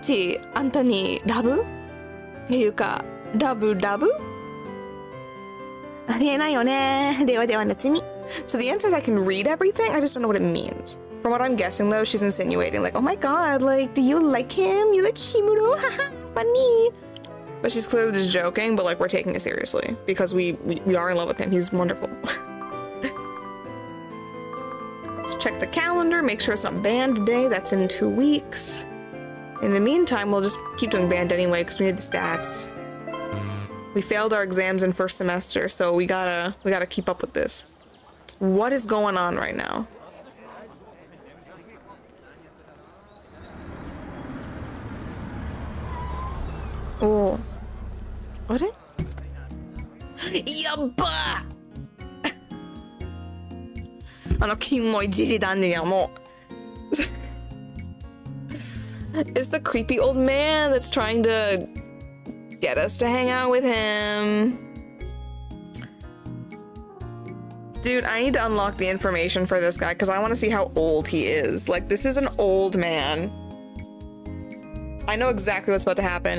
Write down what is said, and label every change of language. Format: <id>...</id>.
<ja>よっぽど気に入られてんだね、ヒムロッチに。もしかしてヒムロッチ、あんたにラブ?っていうか、ラブラブ?ありえないよね。ではでは、夏美。</ja> <en>So the answer is I can read everything, I just don't know what it means. From what I'm guessing, though, she's insinuating, like, oh my god, like, do you like him? You like Himuro? Haha, funny. But she's clearly just joking, but, like, we're taking it seriously. Because we are in love with him. He's wonderful. Let's check the calendar, make sure it's not banned today. That's in 2 weeks. In the meantime, we'll just keep doing banned anyway, because we need the stats. We failed our exams in first semester, so we gotta keep up with this. What is going on right now? Oh. What? Yabba!</en> <ja>あのキモいじじだねやもう。</ja> <en>It's the creepy old man that's trying to get us to hang out with him. Dude, I need to unlock the information for this guy because I want to see how old he is. Like, this is an old man. I know exactly what's about to happen.</en>